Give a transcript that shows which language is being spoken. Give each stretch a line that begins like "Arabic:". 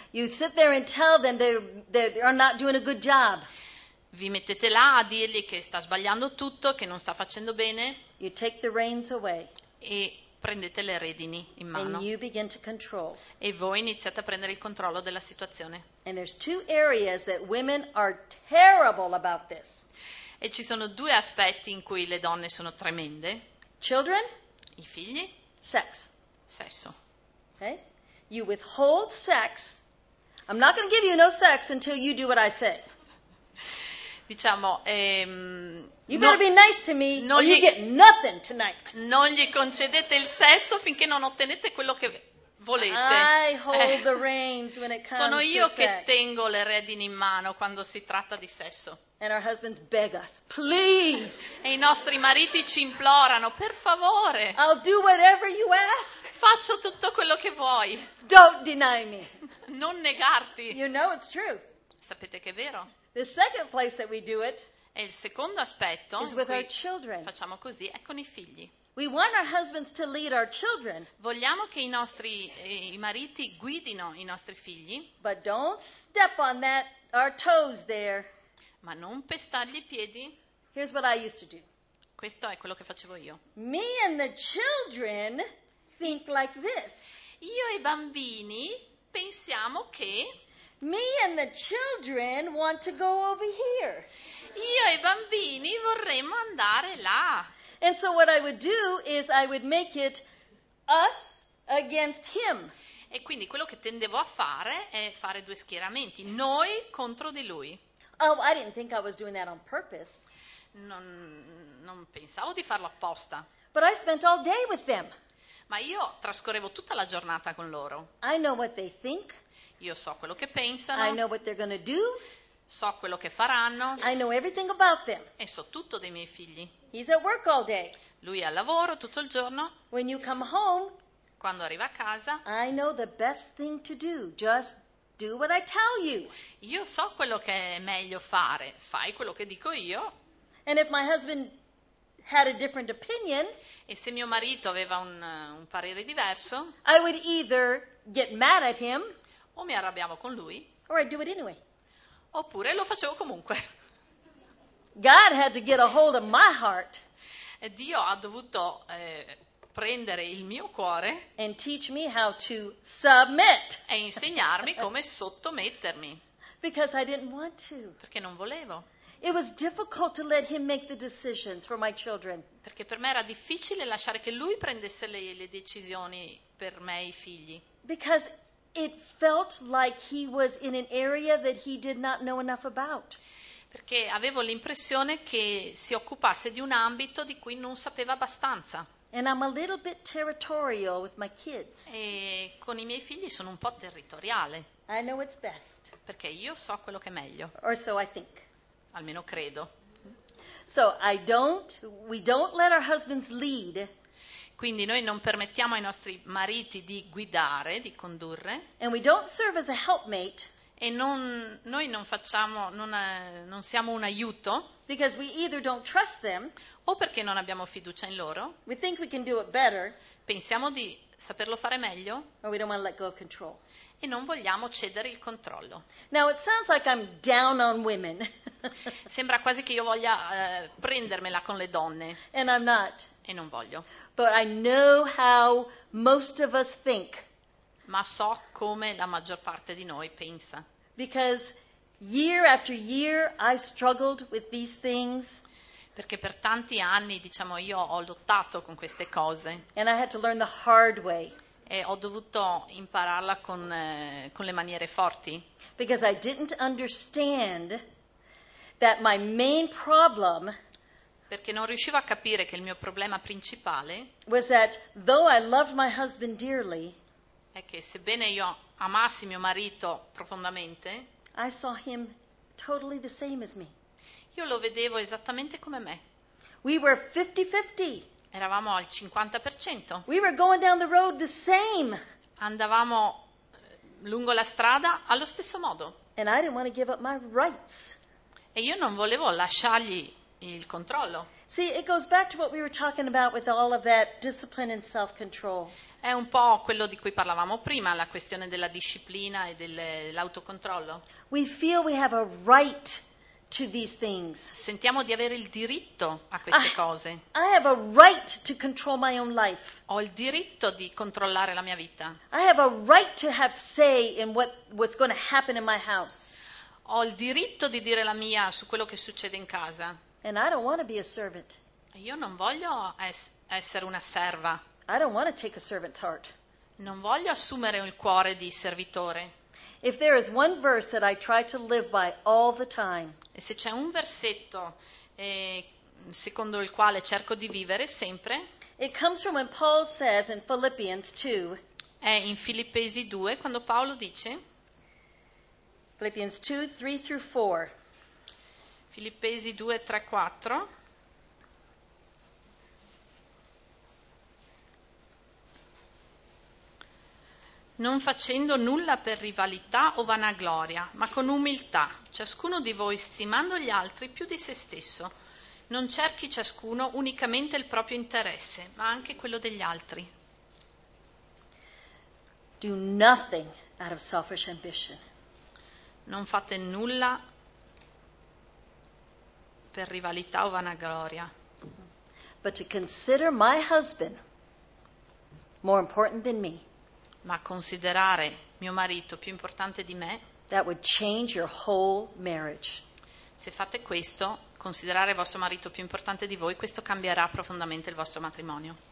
English: You sit there and tell them they are not doing a good job.
Italian: Vi mettete là a dirgli che sta sbagliando tutto, che non sta facendo bene.
English: You take the reins away.
Italian: E prendete le redini in mano.
English: And you begin to control.
Italian: E voi iniziate a prendere il controllo della situazione.
English: And there's two areas that women are terrible about this.
Italian: E ci sono due aspetti in cui le donne sono tremende.
English: Children.
Italian: I figli.
English: Sex.
Italian: Sesso.
English: Okay. You withhold sex. I'm not going to give you no sex until you do what I say.
Italian: Diciamo,
English: you better be nice to me or you get nothing tonight.
Italian: Non gli concedete il sesso finché non ottenete quello che volete.
English: I hold the reins when it comes to sex.
Italian: Sono io che tengo le redini in mano quando si tratta di sesso.
English: And our husbands beg us, please.
Italian: E i nostri mariti ci implorano, per favore.
English: I'll do whatever you ask.
Italian: Faccio tutto quello che vuoi.
English: Don't deny me.
Italian: Non negarti.
English: You know it's true.
Italian: Sapete che è vero.
English: The second place that we do it.
Italian: E il secondo aspetto.
English: Is with our children.
Italian: Facciamo così, è con i figli.
English: We want our husbands to lead our children.
Italian: Vogliamo che i mariti guidino i nostri figli.
English: But don't step on that our toes there.
Italian: Ma non pestargli i piedi.
English: Here's what I used to do.
Italian: Questo è quello che facevo io.
English: Me and the children. Think like this.
Italian: Io e i bambini pensiamo che.
English: Me and the children want to go over here.
Italian: Io e i bambini vorremmo andare là.
English: And so what I would do is I would make it us against him.
Italian: E quindi quello che tendevo a fare è fare due schieramenti, noi contro di lui.
English: Oh, I didn't think I was doing that on purpose.
Italian: Non pensavo di farlo apposta.
English: But I spent all day with them.
Italian: Ma io trascorrevo tutta la giornata con loro.
English: I know what they think.
Italian: Io so quello che pensano.
English: I know what they're gonna do.
Italian: So quello che faranno.
English: I know everything about them.
Italian: E so tutto dei miei figli.
English: He's at work all day.
Italian: Lui è al lavoro tutto il giorno.
English: When you come home,
Italian: quando arriva a casa,
English: I know the best thing to do. Just do what I tell you.
Italian: Io so quello che è meglio fare. Fai quello che dico io.
English: And if my husband had a different opinion,
Italian: e se mio marito aveva un parere diverso,
English: I would either get mad at him,
Italian: o mi arrabbiavo con lui,
English: or I'd do it anyway.
Italian: Oppure lo facevo comunque.
English: God had to get a hold of my heart.
Italian: E Dio ha dovuto prendere il mio cuore
English: and teach me how to submit.
Italian: E insegnarmi come sottomettermi.
English: Because I didn't want to.
Italian: Perché non volevo.
English: It was difficult to let him make the decisions for my children.
Italian: Perché per me era difficile lasciare che lui prendesse le decisioni per me e i figli.
English: Because it felt like he was in an area that he did not know enough about.
Italian: perché avevo l'impressione che si occupasse di un ambito di cui non sapeva abbastanza.
English: And I'm a little bit territorial with my kids.
Italian: E con i miei figli sono un po' territoriale.
English: I know what's best.
Italian: Perché io so quello che è meglio.
English: Or so I think.
Italian: Almeno credo.
English: So I don't, we don't let our husbands lead.
Italian: Quindi noi non permettiamo ai nostri mariti di guidare, di condurre.
English: And we don't serve as a helpmate.
Italian: E non, noi non facciamo, non siamo un aiuto.
English: Because we either don't trust them.
Italian: O perché non abbiamo fiducia in loro.
English: We think we can do it better.
Italian: Pensiamo di saperlo fare meglio.
English: Or we don't want to let go of control.
Italian: E non vogliamo cedere il controllo.
English: Now it sounds like I'm down on women.
Italian: Sembra quasi che io voglia prendermela con le donne.
English: And I'm not.
Italian: E non voglio.
English: But I know how most of us think.
Italian: Ma so come la maggior parte di noi pensa.
English: Because year after year I struggled with these things.
Italian: Perché per tanti anni, diciamo, io ho lottato con queste cose.
English: And I had to learn the hard way.
Italian: E ho dovuto impararla con le maniere forti.
English: Because I didn't understand that my main problem.
Italian: Perché non riuscivo a capire che il mio problema principale
English: was that though I loved my husband dearly,
Italian: è che sebbene io amassi mio marito profondamente,
English: I saw him totally the same as me.
Italian: Io lo vedevo esattamente come me.
English: We were 50-50.
Italian: Eravamo al 50%.
English: We were going down the road the same.
Italian: Andavamo lungo la strada allo stesso modo.
English: And I didn't want to give up my rights.
Italian: E io non volevo lasciargli il controllo.
English: See, it goes back to what we were talking about with all of that discipline and self-control.
Italian: È un po' quello di cui parlavamo prima, la questione della disciplina e dell'autocontrollo.
English: We feel we have a right to these things.
Italian: Sentiamo di avere il diritto a queste cose.
English: I have a right to control my own life.
Italian: Ho il diritto di controllare la mia vita.
English: I have a right to have say in what's going to happen in my house.
Italian: Ho il diritto di dire la mia su quello che succede in casa.
English: And I don't want to be a servant.
Italian: Io non voglio essere una serva.
English: I don't want to take a servant's heart.
Italian: Non voglio assumere il cuore di servitore.
English: If there is one verse that I try to live by all the time.
Italian: E se c'è un versetto secondo il quale cerco di vivere sempre.
English: It comes from when Paul says in Philippians 2.
Italian: È in Filippesi 2 quando Paolo dice.
English: Philippians 2, 3 through 4.
Italian: Filippesi 2, 3, 4. Non facendo nulla per rivalità o vanagloria, ma con umiltà, ciascuno di voi stimando gli altri più di se stesso. Non cerchi ciascuno unicamente il proprio interesse, ma anche quello degli altri.
English: Do nothing out of selfish ambition.
Italian: Non fate nulla per rivalità o vanagloria.
English: But to consider my husband more important than me.
Italian: Ma considerare mio marito più importante di me.
English: That would change your whole marriage.
Italian: Se fate questo, considerare vostro marito più importante di voi, questo cambierà profondamente il vostro matrimonio.